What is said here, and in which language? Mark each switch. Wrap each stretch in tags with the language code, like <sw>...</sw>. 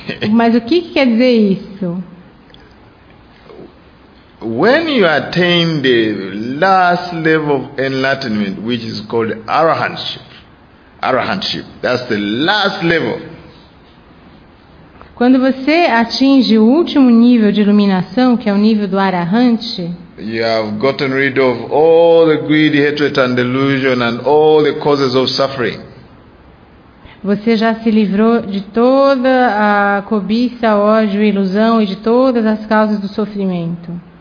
<pt>Mas o que quer dizer isso?</pt> <en>When you attain the last level of enlightenment, which is called arahantship. Arahantship. That's the last level.</en> <pt>Quando você atinge o último nível de iluminação, que é o nível do arahante,</pt> <en>you have gotten rid of all the greed, hatred and delusion and all the causes of suffering.</en> <pt>Você já se livrou de toda a cobiça, ódio, ilusão e de todas as causas do sofrimento.</pt>